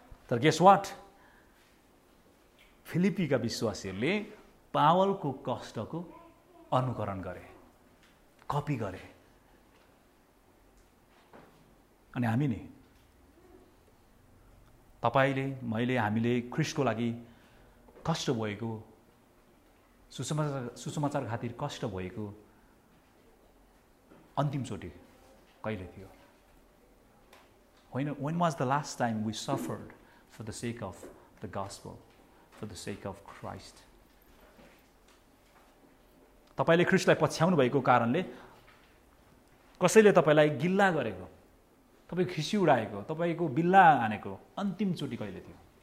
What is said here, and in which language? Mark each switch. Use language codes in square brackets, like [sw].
[ne] तर [en] guess what, [ne] फिलिपीका विश्वासीहरूले पावलको कष्टको अनुकरण गरे, कपी गरे, अनि हामी नि, तपाईँले मैले हामीले ख्रिस्टको लागि कष्ट भएको, सुसमाचार खातिर कष्ट भएको अन्तिमचोटि कहिले थियो? [en] होइन, when was the last time we suffered for the sake of the gospel, for the sake of Christ? [ne] तपाईँले ख्रिस्टलाई पछ्याउनु भएको कारणले कसैले तपाईँलाई गिल्ला गरेको, तपाईँ खिसी उडाएको, तपाईँको बिल्ला हानेको अन्तिमचोटि कहिले थियो?